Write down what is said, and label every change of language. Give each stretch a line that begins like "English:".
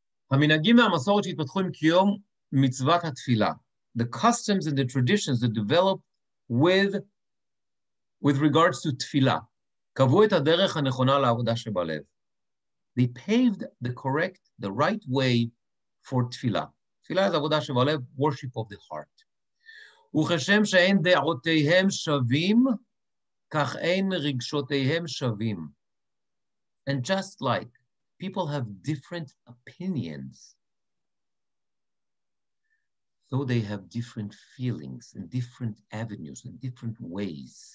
Hebrew: המנהגים והמסורת שהתפתחו עם קיום מצוות התפילה.
English: The customs and the traditions that develop with regards to תפילה,
Hebrew: קבעו את הדרך הנכונה לעבודה שבלב.
English: They paved the right way for תפילה.
Hebrew: תפילה זה עבודה שבלב,
English: worship of the heart.
Hebrew: וכשם שאין דעותיהם שווים, כך אין רגשותיהם שווים.
English: And just like people have different opinions. So they have different feelings and different avenues and different ways.